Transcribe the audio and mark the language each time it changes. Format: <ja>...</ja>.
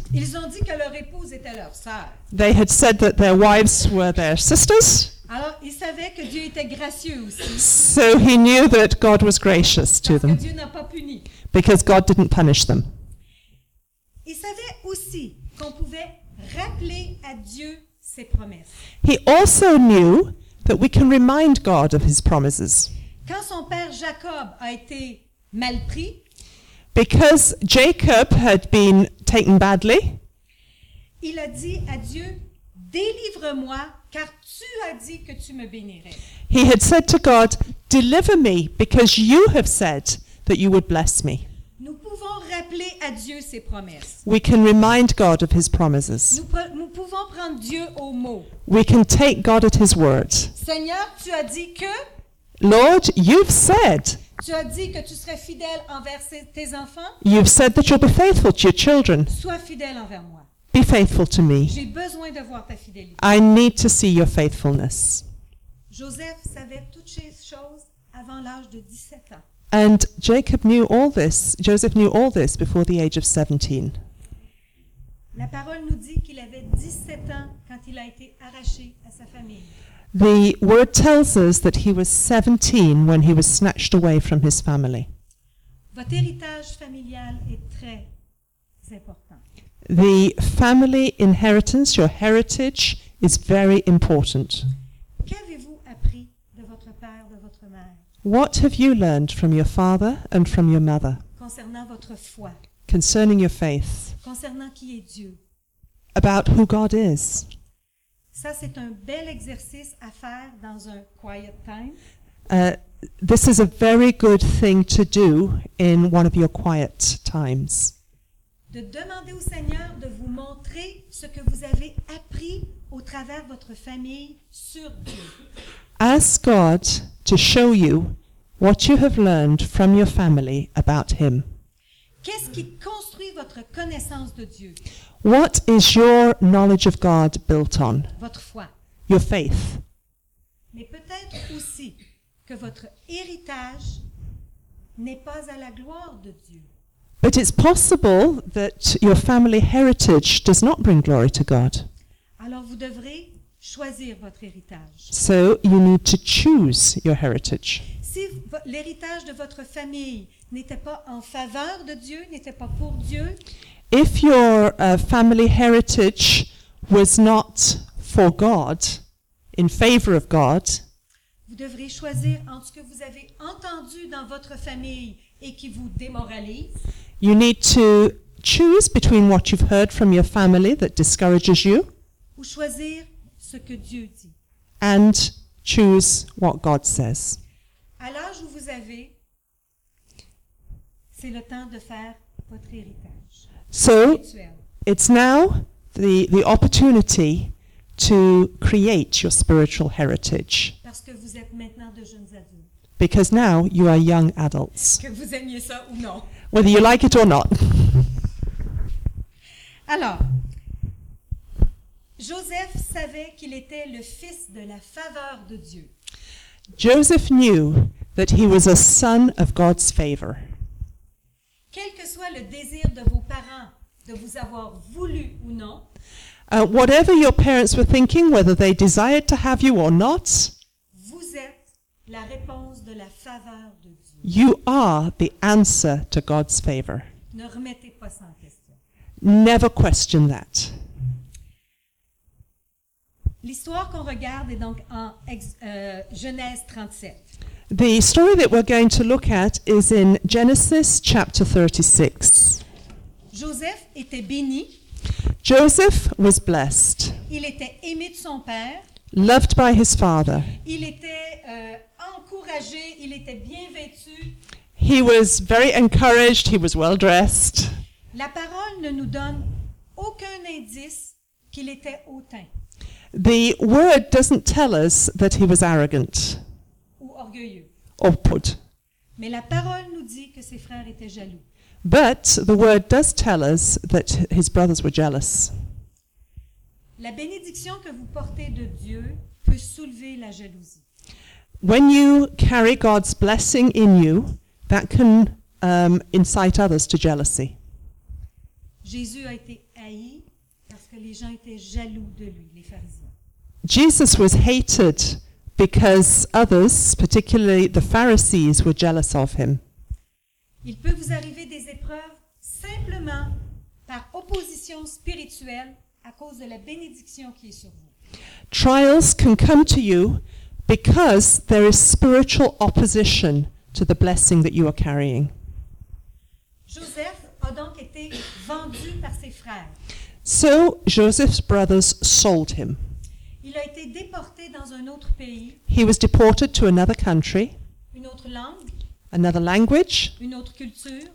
<fr>Ils ont dit que leur épouse était leur sœur.</fr> <en>They had said that their wives were their sisters.</en> <fr>Alors, ils savaient que Dieu était gracieux aussi.</fr> <en>So he knew that God was gracious to them.</en> <fr>Parce que Dieu n'a pas puni.</fr> <en>Because God didn't punish them.</en> <fr>Ils savaient aussi qu'on pouvait rappeler à Dieu ses promesses.</fr> <en>He also knew that we can remind God of his promises.</en> <fr>Quand son père Jacob a été mal pris,</fr> <en>because Jacob had been taken badly,</en> <fr>il a dit à Dieu, délivre-moi, car tu as dit que tu me bénirais.</fr> <en>He had said to God, deliver me, because you have said that you would bless me.</en> <fr>Nous pouvons rappeler à Dieu ses promesses.</fr> <en>We can remind God of his promises.</en> <fr>Nous pouvons prendre Dieu au mot.</fr> <en>We can take God at his word.</en> <fr>Seigneur, tu as dit que.</fr> <en>Lord, you've said.</en> <fr>Tu as dit que tu serais fidèle envers tes enfants.</fr> <en>You've said that you'll be faithful to your children.</en> <fr>Sois fidèle envers moi.</fr> <en>Be faithful to me.</en> <fr>J'ai besoin de voir ta fidélité.</fr> <en>I need to see your faithfulness.</en> <fr>Joseph savait toutes ces choses avant l'âge de 17 ans.</fr> <en>And Jacob knew all this. Joseph knew all this before the age of 17.</en> <fr>La parole nous dit qu'il avait 17 ans quand il a été arraché à sa famille.</fr> <en>The word tells us that he was 17 when he was snatched away from his family.</en> <fr>Votre héritage familial est très important.</fr> <en>The family inheritance, your heritage, is very important.</en> <fr>Qu'avez-vous appris de votre père, de votre mère?</fr> <en>What have you learned from your father and from your mother?</en> <fr>Concernant votre foi.</fr> <en>Concerning your faith.</en> <fr>Concernant qui est Dieu.</fr> <en>About who God is.</en> <fr>Ça, c'est un bel exercice à faire dans un</fr> <en>quiet time. This is a very good thing to do in one of your quiet times.</en> <fr>De demander au Seigneur de vous montrer ce que vous avez appris au travers de votre famille sur Dieu.</fr> <en>Ask God to show you what you have learned from your family about Him.</en> <fr>Qu'est-ce qui construit votre connaissance de Dieu?</fr> <en>What is your knowledge of God built on?</en> <fr>Votre foi.</fr> <en>Your faith.</en> <fr>Mais peut-être aussi que votre héritage n'est pas à la gloire de Dieu.</fr> <en>But it's possible that your family heritage does not bring glory to God.</en> <fr>Alors vous devrez choisir votre héritage.</fr> <en>So you need to choose your heritage.</en> <fr>Si l'héritage de votre famille n'était pas en faveur de Dieu, n'était pas pour Dieu.</fr> <en>If your family heritage was not for God, in favor of God,</en> <fr>vous devrez choisir entre ce que vous avez entendu dans votre famille et qui vous démoralise.</fr> <en>You need to choose between what you've heard from your family that discourages you,</en> <fr>ou choisir ce que Dieu dit.</fr> <en>And choose what God says.</en> <fr>À l'âge où vous avez, c'est le temps de faire votre héritage.</fr> <en>So, it's now the opportunity to create your spiritual heritage.</en> <fr>Parce que vous êtes maintenant de jeunes adultes.</fr> <en>Because now you are young adults.</en> <fr>Que vous aimiez ça ou non.</fr> <en>Whether you like it or not.</en> <fr>Alors, Joseph savait qu'il était le fils de la faveur de Dieu.</fr> <en>Joseph knew that he was a son of God's favor.</en> <fr>Quel que soit le désir de vos parents de vous avoir voulu ou non,</fr> <en>Whatever your parents were thinking, whether they desired to have you or not,</en> <fr>vous êtes la réponse de la faveur de Dieu.</fr> <en>You are the answer to God's favor.</en> <fr>Ne remettez pas ça en question.</fr> <en>Never question that.</en> <fr>L'histoire qu'on regarde est donc en Genèse 37.</fr> <en>The story that we're going to look at is in Genesis chapter 36.</en> <fr>Joseph était béni.</fr> <en>Joseph was blessed.</en> <fr>Il était aimé de son père.</fr> <en>Loved by his father.</en> <fr>Il était encouragé, il était bien vêtu.</fr> <en>He was very encouraged, he was well dressed.</en> <fr>La parole ne nous donne aucun indice qu'il était hautain.</fr> <en>The word doesn't tell us that he was arrogant. Output.</en> <fr>Mais la parole nous dit que ses frères étaient jaloux.</fr> <en>But the word does tell us that his brothers were jealous.</en> <fr>La bénédiction que vous portez de Dieu peut soulever la jalousie.</fr> <en>When you carry God's blessing in you, that can incite others to jealousy.</en> <fr>Jésus a été haï parce que les gens étaient jaloux de lui, les pharisiens.</fr> <en>Jesus was hated because others, particularly the Pharisees, were jealous of him.</en> <fr>Il peut vous arriver des épreuves simplement par opposition spirituelle à cause de la bénédiction qui est sur vous.</fr> <en>Trials can come to you because there is spiritual opposition to the blessing that you are carrying.</en> <fr>Joseph a donc été vendu par ses frères.</fr> <en>So Joseph's brothers sold him.</en> <fr>Il a été déporté dans un autre pays.</fr> <en>He was deported to another country.</en> <fr>Une autre langue.</fr> <en>Another language.</en> <fr>Une autre culture.</fr>